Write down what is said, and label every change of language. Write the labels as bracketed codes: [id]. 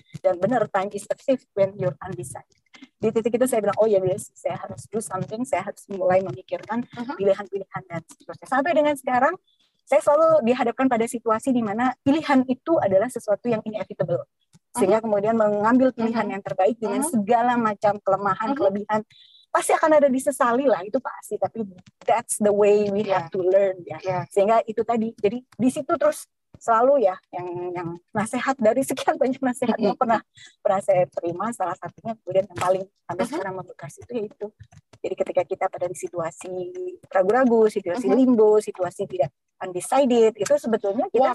[id] Dan benar, [en] time is a thief when you're undecided. [id] Di titik itu saya bilang, oh ya guys, saya harus [en] do something, [id] saya harus mulai memikirkan pilihan-pilihan dan seterusnya. Sampai dengan sekarang saya selalu dihadapkan pada situasi di mana pilihan itu adalah sesuatu yang inevitable. Sehingga kemudian mengambil pilihan yang terbaik dengan segala macam kelemahan, kelebihan, pasti akan ada disesali lah, itu pasti. [en] Tapi that's the way we have to learn. [id] Ya. Sehingga itu tadi, jadi di situ terus selalu ya, yang nasihat dari sekian banyak nasihat yang pernah saya terima, salah satunya kemudian yang paling sampai sekarang membekas itu yaitu, jadi ketika kita pada di situasi ragu-ragu, situasi limbo, situasi tidak undecided, itu sebetulnya kita